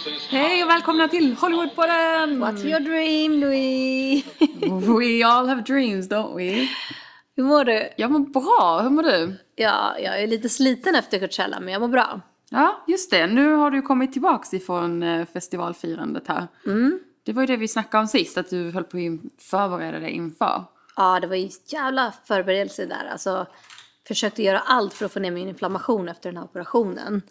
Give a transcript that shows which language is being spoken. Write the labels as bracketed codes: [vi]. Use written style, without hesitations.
[sv] Hej och välkomna till Hollywood på den. [en] What's your dream, Louis? We all have dreams, don't we? [sv] Hur mår du? Jag mår bra, hur mår du? Ja, jag är lite sliten efter Coachella, men jag mår bra. Ja, just det. Nu har du kommit tillbaka ifrån festivalfirandet här. Mm. Det var ju det vi snackade om sist, att du höll på att förbereda dig inför. Ja, det var ju jävla förberedelse där, alltså... Försökte göra allt för att få ner min inflammation efter den här operationen.